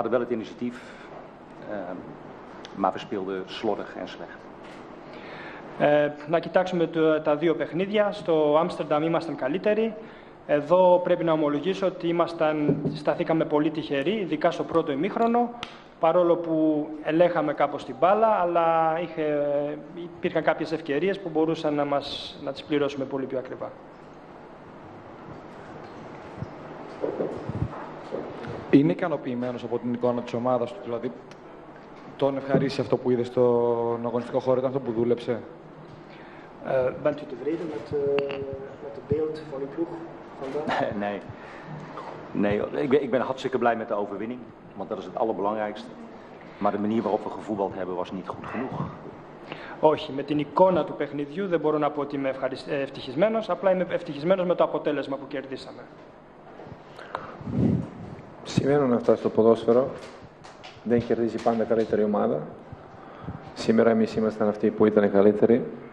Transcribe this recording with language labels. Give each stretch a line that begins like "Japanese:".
Dutch: Hadden wel het initiatief, maar we speelden slordig en slecht.
Greek: Να κοιτάξουμε τα δύο παιχνίδια. Στο Άμστερνταμ ήμασταν καλύτεροι. Εδώ πρέπει να ομολογήσω ότι σταθήκαμε πολύ τυχεροί, ειδικά στο πρώτο ημίχρονο. Παρόλο που ελέγχαμε κάπως την μπάλα, αλλά υπήρχαν κάποιες ευκαιρίες που μπορούσαν να τις πληρώσουμε πολύ πιο ακριβά. Είναι ικανοποιημένος από την εικόνα της ομάδας του, δηλαδή τον ευχαρίστησε αυτό που είδε στον αγωνιστικό χώρο, ήταν αυτό που δούλεψε.
Dutch: Bent u tevreden met het beeld van uw ploeg vandaag? Nee. Ik ben hartstikke blij met de overwinning, want dat is het allerbelangrijkste. Maar de manier waarop we gevoetbald hebben was niet goed genoeg.
Greek: Όχι, με την εικόνα του παιχνιδιού δεν μπορώ να πω ότι είμαι ευτυχισμένος, απλά είμαι ευτυχισμένος με το αποτέλεσμα που κερδίσαμε. Σημαίνουν αυτά στο ποδόσφαιρο. Δεν κερδίζει πάντα καλύτερη ομάδα. Σήμερα εμείς ήμασταν αυτοί που ήταν καλύτεροι.